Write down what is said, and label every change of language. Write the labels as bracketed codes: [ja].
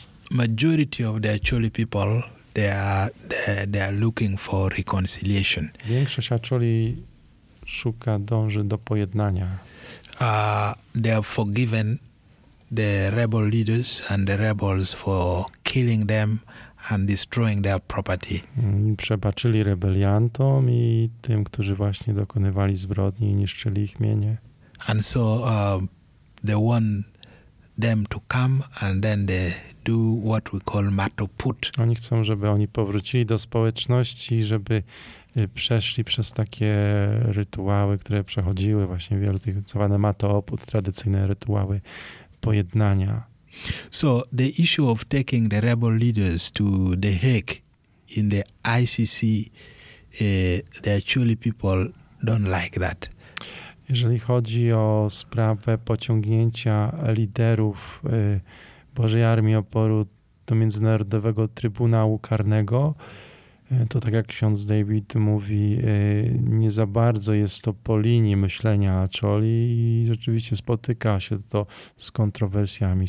[en] Majority of the Acholi people, they are looking for reconciliation. [pl] Większość Acholi dąży do pojednania. [en] They have forgiven the rebel leaders and the rebels for killing them and destroying their property. [pl] Przebaczyli rebeliantom i tym, którzy właśnie dokonywali zbrodni i niszczyli ich mienie. [en] And so they want them to come and then they do what we call matoput. [pl] Oni chcą, żeby oni powrócili do społeczności, żeby przeszli przez takie rytuały, które przechodziły właśnie wielu tych zwane matoput, tradycyjne rytuały pojednania. [en] So the issue of taking the rebel leaders to the Hague in the ICC, the Acholi people don't like that. [pl] Jeżeli chodzi o sprawę pociągnięcia liderów Bożej Armii Oporu do Międzynarodowego Trybunału Karnego, To tak jak ksiądz David mówi, nie za bardzo jest to po linii myślenia Acholi i rzeczywiście spotyka się to z kontrowersjami.